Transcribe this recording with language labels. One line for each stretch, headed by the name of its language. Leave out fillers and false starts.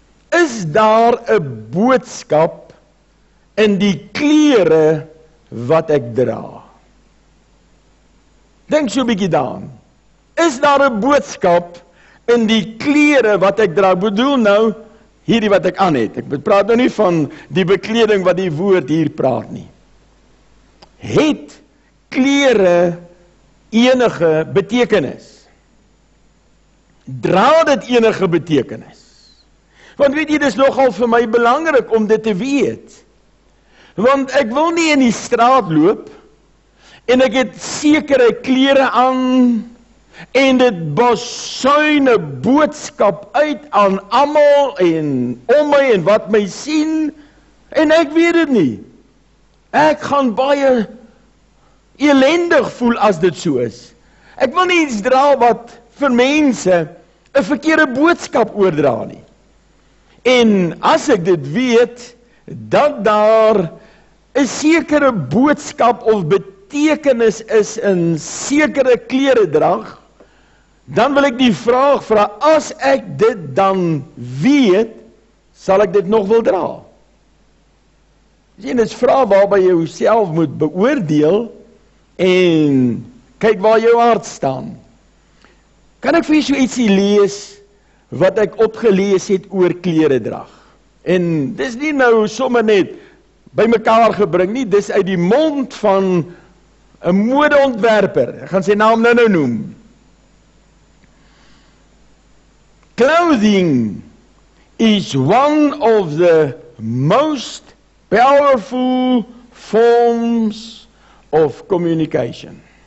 Afrikaans: Is daar 'n boodskap in die klere wat ek dra? Dink so 'n bietjie daaraan. Is daar 'n boodskap in die klere wat ek dra? Ek bedoel nou hierdie wat ek aan het. Ek praat nou nie van die bekleding wat die woord hier praat nie. Het klere enige betekenis? Dra dit enige betekenis? Want weet jy, dis nogal vir my belangrik om dit te weet. Want ek wil nie in die straat loop, en ek het sekere klere aan, en dit basuine boodskap uit aan amal en om my en wat my sien, en ek weet dit nie. Ek gaan baie elendig voel as dit so is. Ek wil nie iets dra wat vir mense 'n verkeerde boodskap oordra nie. En as ek dit weet, dat daar 'n sekere boodskap of betekenis is in sekere kleredrag, dan wil ek die vraag vra, as ek dit dan weet, sal ek dit nog wil dra? En dit is vraag waarby jy jouself moet beoordeel en kyk waar jou hart staan. Kan ek vir jou so ietsie lees wat ek opgelees het oor kleredrag? En dis nie nou sommer net by mekaar gebring nie, dis uit die mond van 'n modeontwerper. Ek gaan sy naam nou noem.
English: Clothing is one of the most powerful forms of communication.